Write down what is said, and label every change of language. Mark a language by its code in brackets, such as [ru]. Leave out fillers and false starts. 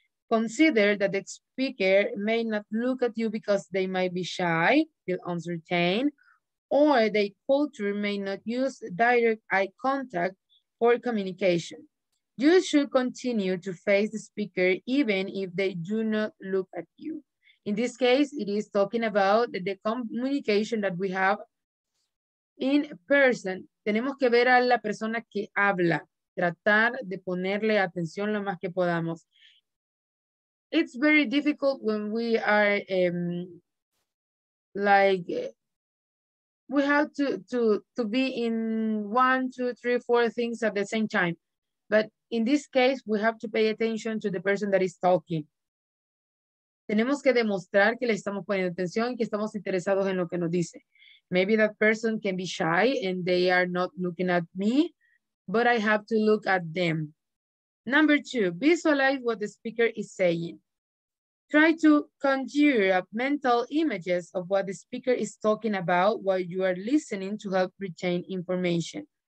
[en] Consider that the speaker may not look at you because they might be shy, feel uncertain, or their culture may not use direct eye contact for communication. You should continue to face the speaker even if they do not look at you. In this case, it is talking about the communication that we have in person. [es] Tenemos que ver a la persona que habla, tratar de ponerle atención lo más que podamos. [en] It's very difficult when we are like, we have to be in one, two, three, four things at the same time. But in this case, we have to pay attention to the person that is talking. [es] Tenemos que demostrar que le estamos poniendo atención y que estamos interesados en lo que nos dice. [en] Maybe that person can be shy and they are not looking at me, but I have to look at them. Number two, visualize what the speaker is saying. Try to conjure up mental images of what the speaker is talking about while you are listening to help retain information.